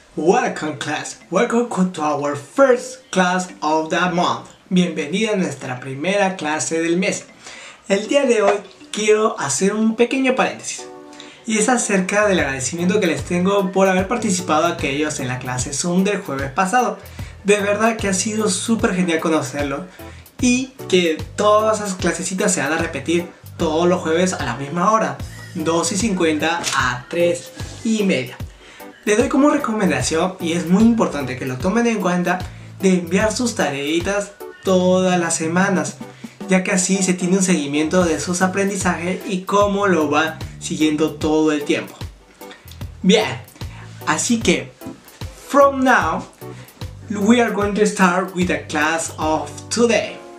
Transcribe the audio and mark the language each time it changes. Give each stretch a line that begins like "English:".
English: Welcome class, welcome to our first class of the month.
Spanish: Bienvenida a nuestra primera clase del mes. El día de hoy quiero hacer un pequeño paréntesis. Y es acerca del agradecimiento que les tengo por haber participado a aquellos en la clase Zoom del jueves pasado. De verdad que ha sido súper genial conocerlo y que todas esas clasecitas se van a repetir todos los jueves a la misma hora, 2:50 a 3:30. Les doy como recomendación, y es muy importante que lo tomen en cuenta, de enviar sus tareitas todas las semanas, ya que así se tiene un seguimiento de sus aprendizajes y cómo lo va siguiendo todo el tiempo. Bien, así que,
English: from now, we are going to start with the class of today.